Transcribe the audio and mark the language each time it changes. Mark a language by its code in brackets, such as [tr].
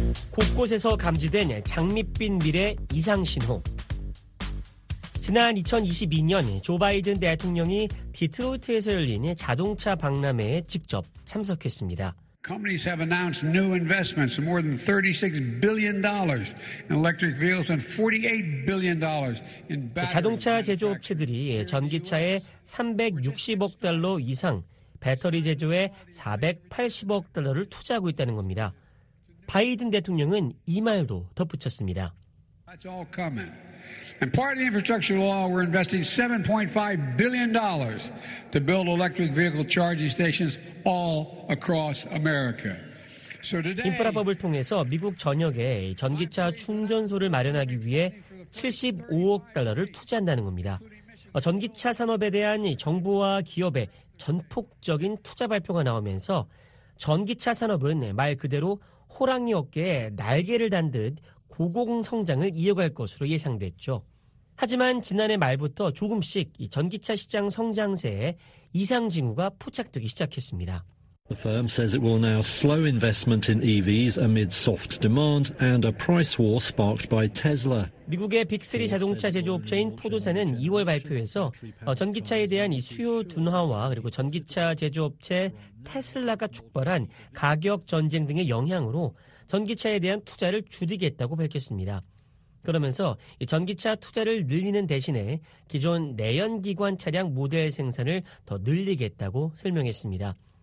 [ko] 곳곳에서 감지된 장밋빛 미래 이상신호. 지난 2022년 조 바이든 대통령이 디트로이트에서 열린 자동차 박람회에 직접 참석했습니다. [en] Companies have announced new investments of more than $36 billion in electric vehicles and $48 billion in batteries. [ko] 자동차 제조업체들이 전기차에 360억 달러 이상, 배터리 제조에 480억 달러를 투자하고 있다는 겁니다. 바이든 대통령은 이 말도 덧붙였습니다. [en] That's all coming. And part of the infrastructure law, we're investing $7.5 billion to build electric vehicle charging stations all across America. So today, [ko] 인프라법을 통해서 미국 전역에 전기차 충전소를 마련하기 위해 75억 달러를 투자한다는 겁니다. 전기차 산업에 대한 정부와 기업의 전폭적인 투자 발표가 나오면서 전기차 산업은 말 그대로 호랑이 어깨에 날개를 단 듯 고공성장을 이어갈 것으로 예상됐죠. 하지만 지난해 말부터 조금씩 이 전기차 시장 성장세에 이상징후가 포착되기 시작했습니다. [en] The firm says it will now slow investment in EVs amid soft demand and a price war sparked by Tesla. [ko] 미국의 빅3 자동차 제조업체인 포드사는 2월 발표에서 전기차에 대한 이 수요 둔화와 그리고 전기차 제조업체 테슬라가 촉발한 가격 전쟁 등의 영향으로 전기차에 대한 투자를 줄이겠다고 밝혔습니다. 그러면서 전기차 투자를 늘리는 대신에 기존 내연기관 차량 모델 생산을 더 늘리겠다고 설명했습니다.